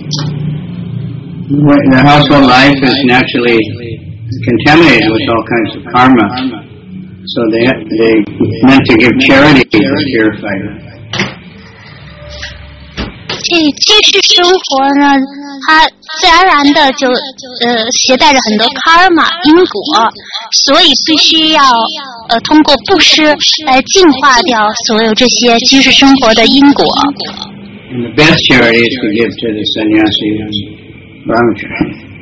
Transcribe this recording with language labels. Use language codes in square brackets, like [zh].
[en] The household life is naturally contaminated with all kinds of karma, so they meant to give charity to purify them. [zh] 居士生活呢，它自然而然的就携带着很多 karma 因果，所以必须要通过布施来净化掉所有这些居士生活的因果。 [en] And the best charity is to give to the sannyasi brahmacari.